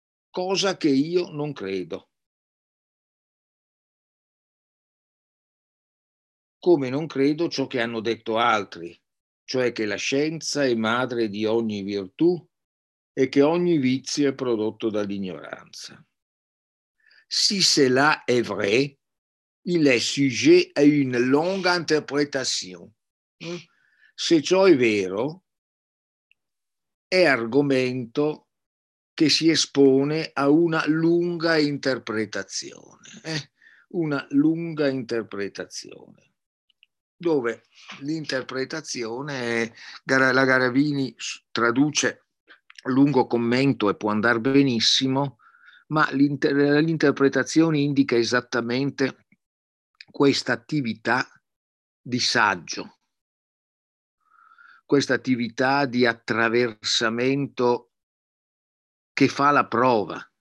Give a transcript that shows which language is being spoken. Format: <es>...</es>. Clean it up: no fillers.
<it>Cosa che io non credo. Come non credo ciò che hanno detto altri, cioè che la scienza è madre di ogni virtù e che ogni vizio è prodotto dall'ignoranza.</it> <fr>Si cela è vrai, il est sujet à une longue interprétation.</fr> <it>Se ciò è vero, è argomento che si espone a una lunga interpretazione. Una lunga interpretazione. Dove l'interpretazione è, la Garavini traduce lungo commento e può andar benissimo, ma l'interpretazione indica esattamente questa attività di saggio, questa attività di attraversamento che fa la prova.</it>